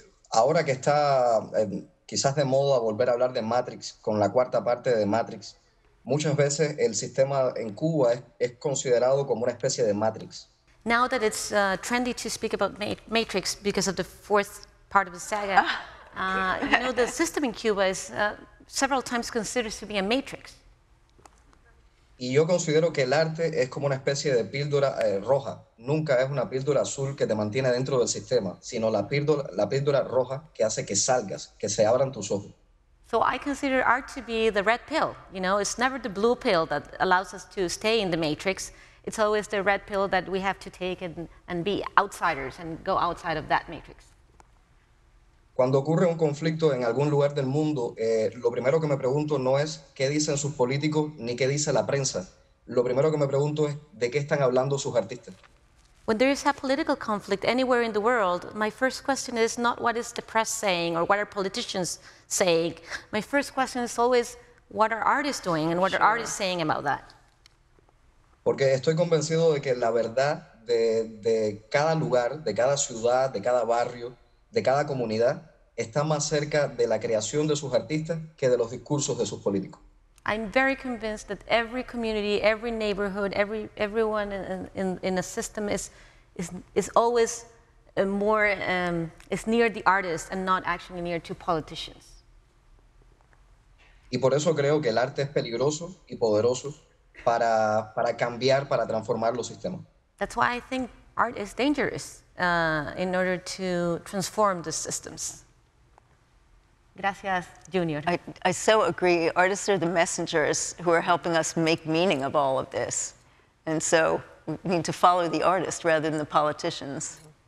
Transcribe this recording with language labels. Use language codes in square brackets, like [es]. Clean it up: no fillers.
[es] Ahora que está quizás de moda volver a hablar de Matrix, con la cuarta parte de Matrix, muchas veces el sistema en Cuba es considerado como una especie de Matrix. [en] Now that it's trendy to speak about Matrix because of the fourth part of the saga, you know, the system in Cuba is several times considered to be a Matrix. [es] Y yo considero que el arte es como una especie de píldora roja. Nunca es una píldora azul que te mantiene dentro del sistema, sino la píldora roja que hace que salgas, que se abran tus ojos. [en] So I consider art to be the red pill. You know, it's never the blue pill that allows us to stay in the matrix. It's always the red pill that we have to take and be outsiders and go outside of that matrix. [es] Cuando ocurre un conflicto en algún lugar del mundo, lo primero que me pregunto no es qué dicen sus políticos ni qué dice la prensa. Lo primero que me pregunto es de qué están hablando sus artistas. [en] When there is a political conflict anywhere in the world, my first question is not what is the press saying or what are politicians saying. My first question is always what are artists doing and what are artists saying about that. [es] Porque estoy convencido de que la verdad de cada lugar, de cada ciudad, de cada barrio, de cada comunidad, está más cerca de la creación de sus artistas que de los discursos de sus políticos. [en] I'm very convinced that every community, every neighborhood, everyone in a system is always more is near the artist and not actually near to politicians. [es] Y por eso creo que el arte es peligroso y poderoso para cambiar, para transformar los sistemas. [en] That's why I think art is dangerous in order to transform the systems. [es] Gracias, Junior. [en] I so agree. Artists are the messengers who are helping us make meaning of all of this. And so we need to follow the artist rather than the politicians.